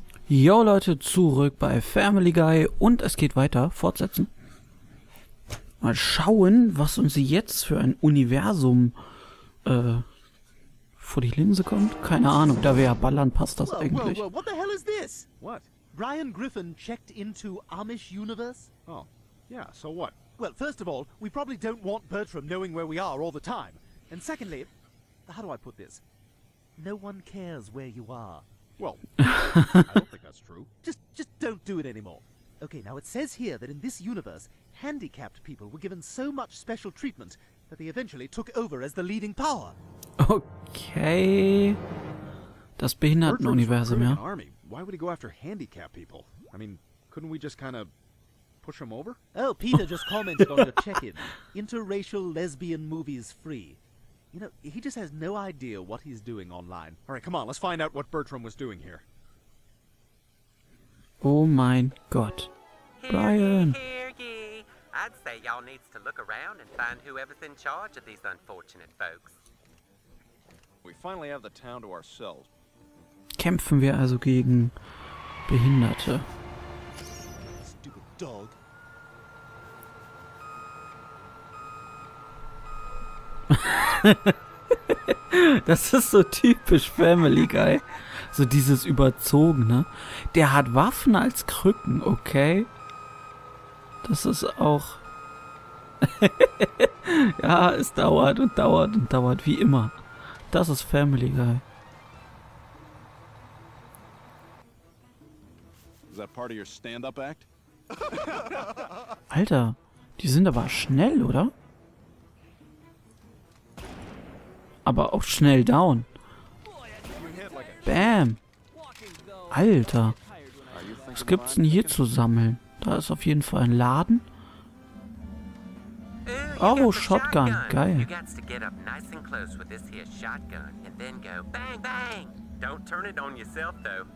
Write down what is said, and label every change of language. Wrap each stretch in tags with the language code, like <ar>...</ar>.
<de>Jo Leute, zurück bei Family Guy und es geht weiter. Fortsetzen. Mal schauen, was uns jetzt für ein Universum vor die Linse kommt. Keine Ahnung, da wir ja ballern, passt das eigentlich.</de> <en>What the hell is this? What? Brian Griffin checked into Amish Universe? Oh, yeah, so what? Well, first of all, we probably don't want Bertram knowing where we are all the time. And secondly, how do I put this? No one cares where you are. Well, I don't think that's true. Just don't do it anymore. Okay, now it says here that in this universe, handicapped people were given so much special treatment that they eventually took over as the leading power.</en> <de>Okay. Das Behindertenuniversum, ja. Army.</de> <en>Why would he go after handicapped people? I mean, couldn't we just kind of push him over? Oh, Peter just commented on your check-in. Interracial lesbian movies free. You know, he just has no idea what he's doing online. All right, come on, let's find out what Bertram was doing here.</en> <de>Oh mein Gott. Brian!</de> <en>Hear ye, hear ye. I'd say y'all needs to look around and find whoever's in charge of these unfortunate folks. We finally have the town to ourselves.</en> <de>Kämpfen wir also gegen Behinderte.</de> <en>Stupid dog.</en> <de>Das ist so typisch Family Guy. So dieses Überzogene. Der hat Waffen als Krücken, okay? Das ist auch... Ja, es dauert und dauert und dauert, wie immer. Das ist Family Guy.</de> <en>Is that part of your stand-up act?</en> <de>Alter, die sind aber schnell, oder? Aber auch schnell down. Bam. Alter. Was gibt's denn hier zu sammeln? Da ist auf jeden Fall ein Laden. Oh, Shotgun. Geil.</de> <en>You got to get up nice and close with this here shotgun and then go bang bang. Don't turn it on yourself though.</en>